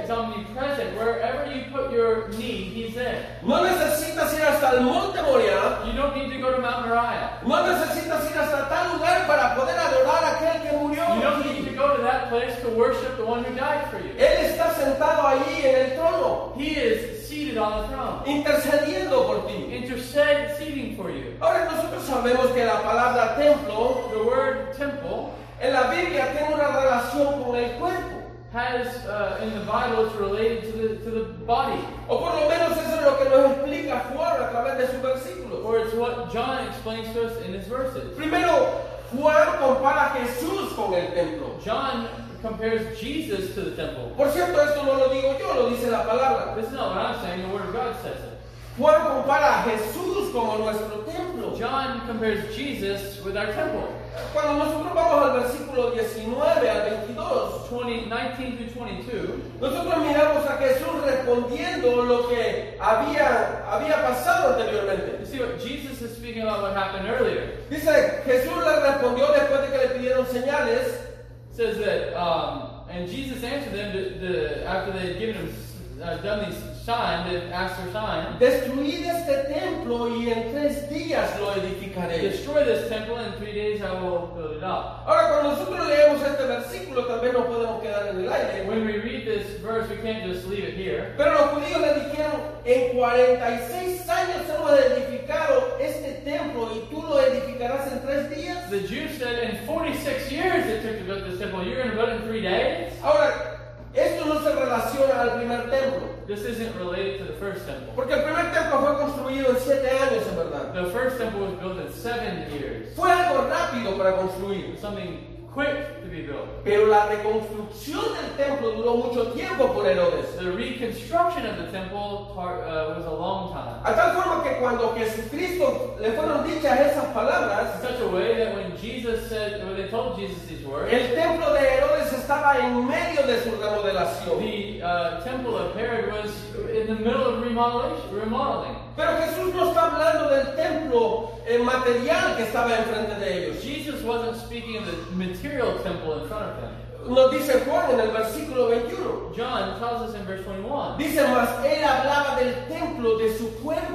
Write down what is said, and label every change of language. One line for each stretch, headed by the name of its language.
English: He's omnipresent. Wherever you put your knee, he's there.
Spanish: No necesitas ir hasta el Monte Moriah.
English: You don't need to go to Mount Moriah.
Spanish: No necesitas ir hasta tal lugar para poder adorar a aquel que murió.
English: You don't need to go to that place to worship the one who died for you.
Spanish: Él está sentado allí en el trono.
English: He is seated on the throne.
Spanish: Intercediendo por ti.
English: Interceding for you.
Spanish: Ahora nosotros sabemos que la palabra templo,
English: the word temple,
Spanish: en la Biblia tiene una relación con el cuerpo.
English: Has in the Bible, it's related to the body.
Spanish: O por lo menos eso es lo que nos explica Juan a través de sus versículos.
English: Or it's what John explains to us in his verses.
Spanish: Primero, Juan compara a Jesús con el templo.
English: John compares Jesus to the temple.
Spanish: Por cierto, esto no lo digo yo, lo dice la palabra.
English: This is not what I'm saying, the word of God says it.
Spanish: Juan compara a Jesús como nuestro templo.
English: John compares Jesus with our temple.
Spanish: Cuando nosotros vamos al versículo 19 al 22,
English: 19-22,
Spanish: nosotros miramos a Jesús respondiendo lo que había pasado anteriormente.
English: You see what Jesus is speaking about, what happened earlier.
Spanish: Dice, Jesús le respondió después de que le pidieron señales.
English: Says that, and Jesus answered them after they had given him done these signs, they asked for signs.
Spanish: Destruid este templo y en tres días lo edificaré.
English: Destroy this temple and in 3 days I will build it up.
Spanish: Ahora, cuando nosotros leemos este versículo, también nos podemos quedar en el aire.
English: When we read this verse, we can't just leave it here.
Spanish: Pero los judíos le dijeron, en 46 años hemos edificado este templo y tú lo edificarás en 3 días.
English: The Jews said, in 46 years it took to build this temple. You're going to build it in 3 days?
Spanish: Ahora, esto no se relaciona al primer templo.
English: This isn't related to the first temple.
Spanish: Porque el primer templo fue construido en 7 años, en verdad.
English: The first temple was built in 7 years.
Spanish: Fue algo rápido para construir.
English: Something quick to be built.
Spanish: Pero la reconstrucción del templo duró mucho tiempo por Herodes.
English: The reconstruction of the temple was a long time.
Spanish: A tal forma que cuando Jesucristo le fueron dichas esas palabras,
English: in such a way that when Jesus said, when they told Jesus these words,
Spanish: el templo de Herodes estaba en medio de su remodelación.
English: The temple of Herod was in the middle of remodeling.
Spanish: Pero Jesús no está hablando del templo material que estaba enfrente de ellos.
English: Jesus wasn't speaking of the material temple in front of them.
Spanish: Nos dice Juan en el versículo 21.
English: John tells us in verse 21.
Spanish: Dice, mas él hablaba del templo de su cuerpo.